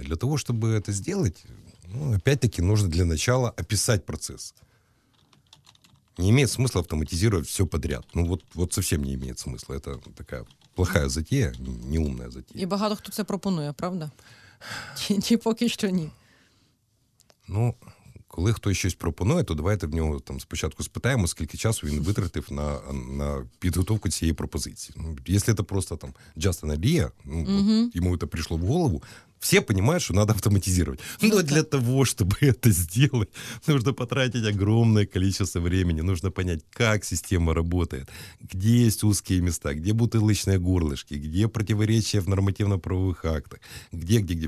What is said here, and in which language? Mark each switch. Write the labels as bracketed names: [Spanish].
[Russian] Для того, чтобы это сделать, ну, опять-таки, нужно для начала описать процесс. Не имеет смысла автоматизировать все подряд. Ну, вот совсем не имеет смысла. Это такая плохая затея, неумная затея. [Ukrainian] И багато хто це пропонує, правда? Чи поки що ні? Ну, коли хтось щось пропонує, то давайте в нього там спочатку спитаємо, скільки часу він витратив на підготовку цієї пропозиції. Ну, якщо це просто там [English] just an idea, [Ukrainian] ну, йому це прийшло в голову, [Russian] все понимают, что надо автоматизировать. Но для того, чтобы это сделать, нужно потратить огромное количество времени. Нужно понять, как система работает, где есть узкие места, где бутылочные горлышки, где противоречия в нормативно-правовых актах, где.